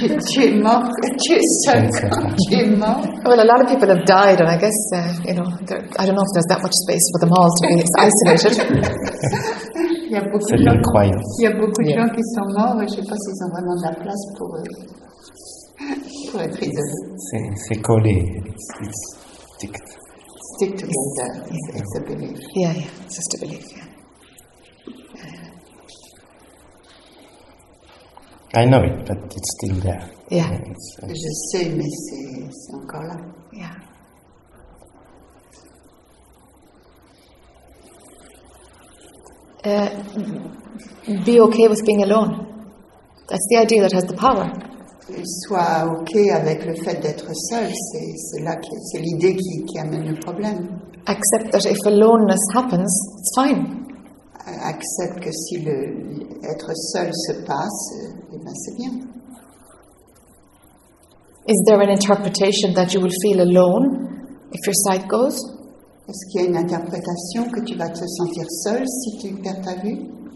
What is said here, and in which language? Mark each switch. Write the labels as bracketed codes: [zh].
[fr] Tu es mort, tu es seul quand tu es mort. [en] Well, a lot of people have died, and I guess, you know, I don't know if there's that much space for them all to be isolated. [fr] Il y a beaucoup de gens qui sont morts, et je ne sais pas s'ils ont vraiment de la place pour être isolés. C'est collé, [en] it's sticked. Stick to being there, it's a belief. Yeah, it's just a belief, yeah. I know it, but it's still there. Yeah. [fr] Je sais, mais c'est encore là. [en] Yeah. Be okay with being alone. That's the idea that has the power. [fr] Sois okay avec le fait d'être seul. C'est l'idée qui amène le problème. [en] Accept that if aloneness happens, it's fine. [fr] Accepte que si le être seul se passe, eh ben c'est bien. [en] Is there an interpretation that you will feel alone if your sight goes? [fr] Est-ce qu'il y a une interprétation que tu vas te sentir seul si tu perds ta vue?